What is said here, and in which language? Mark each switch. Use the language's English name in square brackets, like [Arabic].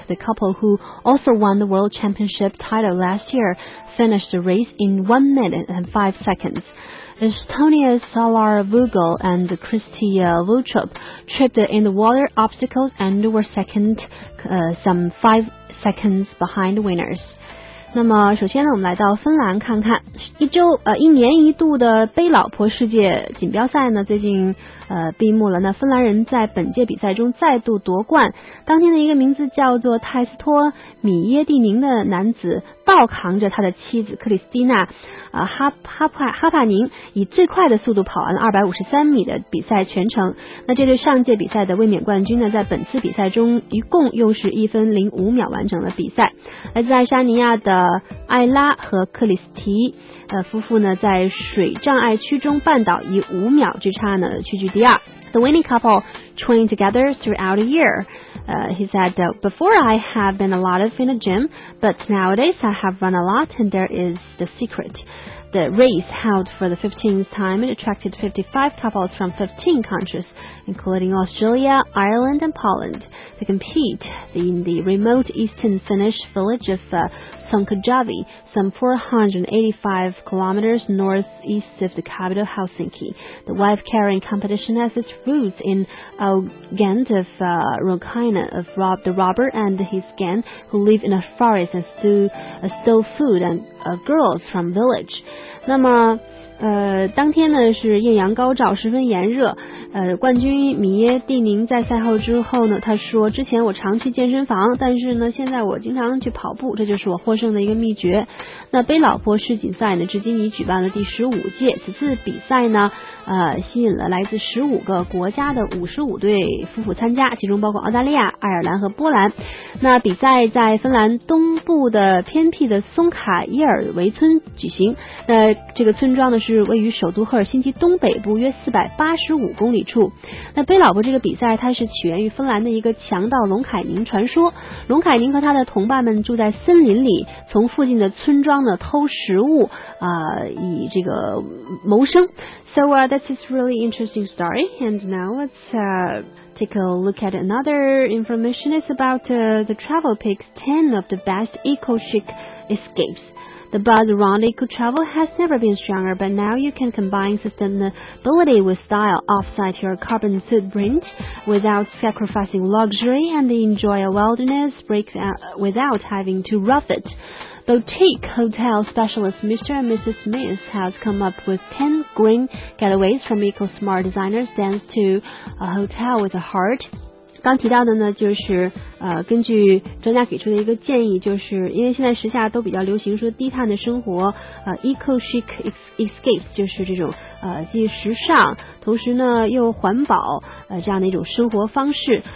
[English] The couple, who also won the World Championship title last year, finished the race in 1 minute and 5 seconds. Estonia's Salar Vugel and Kristiina Vuchup tripped in the water obstacles and were second, some 5 seconds behind winners. [Chinese] 那么首先呢，我们来到芬兰看看一年一度的背老婆世界锦标赛呢，最近闭幕了。那芬兰人在本届比赛中再度夺冠。当天的一个名字叫做泰斯托米耶蒂宁的男子，倒扛着他的妻子克里斯蒂娜哈帕宁，以最快的速度跑完了253米的比赛全程。那这对上届比赛的卫冕冠军呢，在本次比赛中一共用是1分05秒完成了比赛。来自爱沙尼亚的艾拉和克里斯提夫妇呢，在水障碍区中绊倒，以五秒之差呢屈居第二。 [English] The winning couple trained together throughout the year. He said, "Before I have been a lot of in the gym, but nowadays I have run a lot, and there is the secret." The race, held for the 15th time, it attracted 55 couples from 15 countries, including Australia, Ireland, and Poland, to compete in the remote eastern Finnish village of Sonkajavi, some 485 kilometers northeast of the capital Helsinki. The wife-carrying competition has its roots in Ogand of Rokina, of Rob the Robber and his gang, who live in a forest and stole food and girls from village. [Chinese] 那么当天呢是艳阳高照，十分炎热。冠军米耶蒂宁在赛后之后呢，他说，之前我常去健身房，但是呢现在我经常去跑步，这就是我获胜的一个秘诀。那背老婆世锦赛呢，至今已举办了第15届，此次比赛呢吸引了来自15个国家的55对夫妇参加，其中包括澳大利亚、爱尔兰和波兰。那比赛在芬兰东部的偏僻的松卡伊尔维村举行。那这个村庄呢，是位于首都赫尔辛基东北部约485公里处。那背老婆这个比赛，它是起源于芬兰的一个强盗龙凯宁传说。龙凯宁和他的同伴们住在森林里，从附近的村庄呢偷食物以这个谋生。 [English] So that's this really interesting story. And now let's take a look at another information. It's about the travel picks 10 of the best eco-chic escapes. The buzz around eco travel has never been stronger, but now you can combine sustainability with style, offset your carbon footprint without sacrificing luxury, and enjoy a wilderness break without having to rough it. Boutique hotel specialist Mr. and Mrs. Smith has come up with 10 green getaways, from eco-smart designer stands to a hotel with a heart. [Chinese] 刚提到的呢，就是根据专家给出的一个建议，就是因为现在时下都比较流行说低碳的生活， [English] eco chic escapes [Chinese] 就是这种既时尚同时呢又环保这样的一种生活方式。